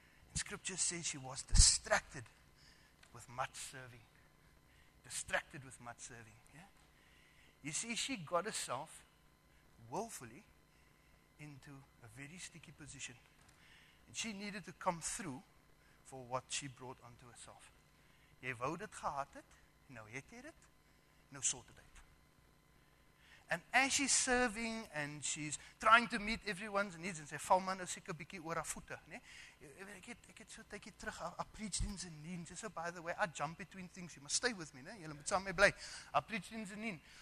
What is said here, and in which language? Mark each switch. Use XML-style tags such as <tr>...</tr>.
<en>And scripture says she was distracted with much serving. Distracted with much serving. Yeah? You see, she got herself willfully into a very sticky position. And she needed to come through for what she brought onto herself.</en> <af>Jy wou dit gehad het, nou het jy dit,</af> <en>nou sort it out. And as she's serving and she's trying to meet everyone's needs and say,</en> <af>val man nou seker bietjie oor haar voete, nee? Ek het so tykie terug,</af> <en>I preached in Zanin. So by the way, I jump between things, you must stay with me, nee?</en> <af>Julle moet saam mee bly.</af> <en>I preached in Zanin.</en>